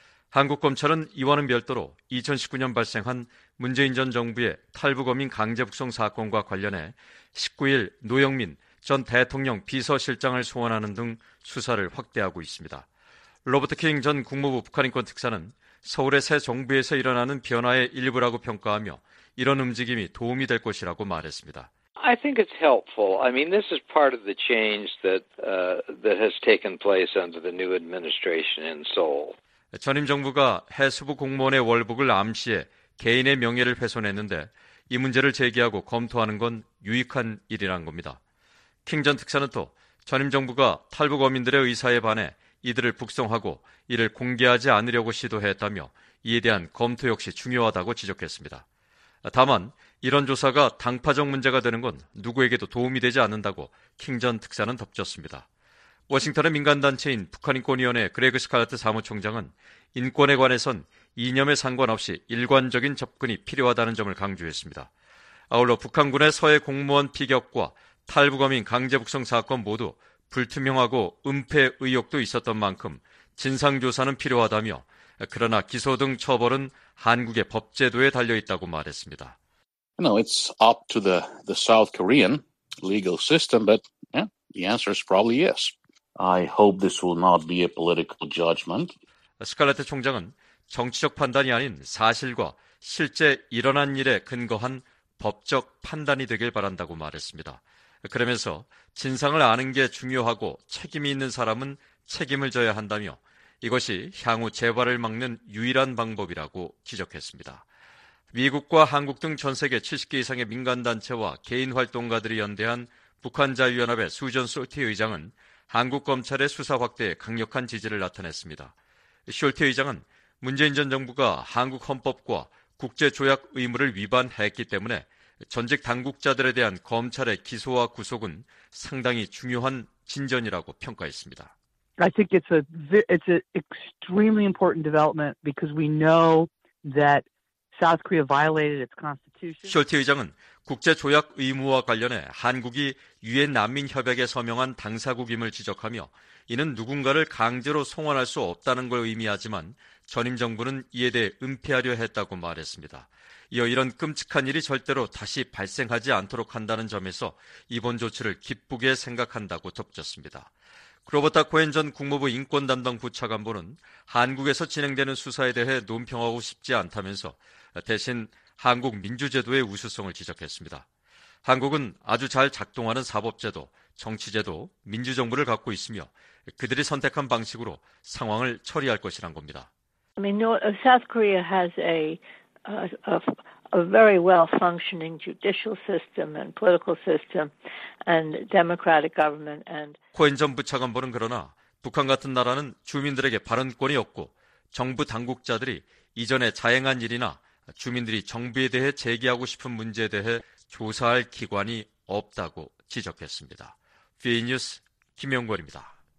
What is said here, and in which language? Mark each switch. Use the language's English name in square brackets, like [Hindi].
[Korean] 한국검찰은 이와는 별도로 2019년 발생한 문재인 전 정부의 탈북어민 강제북송 사건과 관련해 19일 노영민 전 대통령 비서실장을 소환하는 등 수사를 확대하고 있습니다. 로버트 킹 전 국무부 북한인권특사는 서울의 새 정부에서 일어나는 변화의 일부라고 평가하며 이런 움직임이 도움이 될 것이라고 말했습니다. [English] I think it's helpful. I mean, this is part of the change that that has taken place under the new administration in Seoul. [Korean] 전임 정부가 해수부 공무원의 월북을 암시해 개인의 명예를 훼손했는데 이 문제를 제기하고 검토하는 건 유익한 일이란 겁니다. 킹 전 특사는 또 전임 정부가 탈북 어민들의 의사에 반해 이들을 북송하고 이를 공개하지 않으려고 시도했다며 이에 대한 검토 역시 중요하다고 지적했습니다. 다만 이런 조사가 당파적 문제가 되는 건 누구에게도 도움이 되지 않는다고 킹 전 특사는 덧붙였습니다. 워싱턴의 민간단체인 북한인권위원회 그레그 스칼라트 사무총장은 인권에 관해선 이념에 상관없이 일관적인 접근이 필요하다는 점을 강조했습니다. 아울러 북한군의 서해 공무원 피격과 탈북어민 강제북송 사건 모두 불투명하고 은폐 의혹도 있었던 만큼 진상조사는 필요하다며 그러나 기소 등 처벌은 한국의 법제도에 달려있다고 말했습니다. [English] You know, it's up to the South Korean legal system, but yeah, the answer is probably yes. I hope this will not be a political judgment. [Korean] 스칼레트 총장은 정치적 판단이 아닌 사실과 실제 일어난 일에 근거한 법적 판단이 되길 바란다고 말했습니다. 그러면서 진상을 아는 게 중요하고 책임이 있는 사람은 책임을 져야 한다며 이것이 향후 재발을 막는 유일한 방법이라고 지적했습니다. 미국과 한국 등 전 세계 70개 이상의 민간단체와 개인활동가들이 연대한 북한자유연합의 수전 솔티 의장은 한국 검찰의 수사 확대에 강력한 지지를 나타냈습니다. 숄트 의장은 문재인 전 정부가 한국 헌법과 국제조약 의무를 위반했기 때문에 전직 당국자들에 대한 검찰의 기소와 구속은 상당히 중요한 진전이라고 평가했습니다. [English] I think it's an extremely important development because we know that South Korea violated its constitution. [Korean] 숄트 의장은 국제조약 의무와 관련해 한국이 유엔 난민협약에 서명한 당사국임을 지적하며 이는 누군가를 강제로 송환할 수 없다는 걸 의미하지만 전임 정부는 이에 대해 은폐하려 했다고 말했습니다. 이어 이런 끔찍한 일이 절대로 다시 발생하지 않도록 한다는 점에서 이번 조치를 기쁘게 생각한다고 덧붙였습니다. 로버타 코엔 전 국무부 인권담당 부차관보는 한국에서 진행되는 수사에 대해 논평하고 싶지 않다면서 대신 한국 민주제도의 우수성을 지적했습니다. 한국은 아주 잘 작동하는 사법제도, 정치제도, 민주정부를 갖고 있으며 그들이 선택한 방식으로 상황을 처리할 것이란 겁니다. [English] I mean, North, South Korea has a, a, a very well-functioning judicial system and political system and democratic government. [Korean] 코엔 전 부차관보는 그러나 북한 같은 나라는 주민들에게 발언권이 없고 정부 당국자들이 이전에 자행한 일이나 주민들이 정부에 대해 제기하고 싶은 문제에 대해 조사할 기관이 없다고 지적했습니다. 피에 뉴스 김영권입니다.